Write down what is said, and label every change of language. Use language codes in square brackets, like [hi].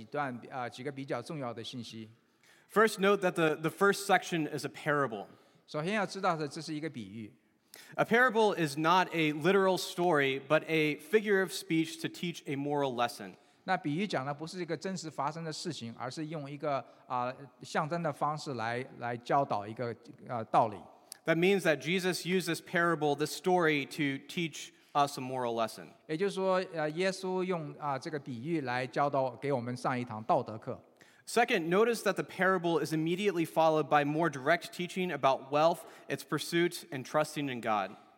[zh] 那这段经文我们里边可以看到有几个比较重要的信息。 [en] First, note that the first section is a parable. [zh] 首先要知道的，这是一个比喻。 [en] A parable is not a literal story, but a figure of speech to teach a moral lesson. [zh] 那比喻讲的不是一个真实发生的事情，而是用一个象征的方式来教导一个道理。 [en] That means that Jesus used this parable, this story, to teach us a moral lesson. [zh] 也就是说，耶稣用这个比喻来教导给我们上一堂道德课。 [en] Second, notice that the parable is immediately followed by more direct teaching about wealth, its pursuit, and trusting in God.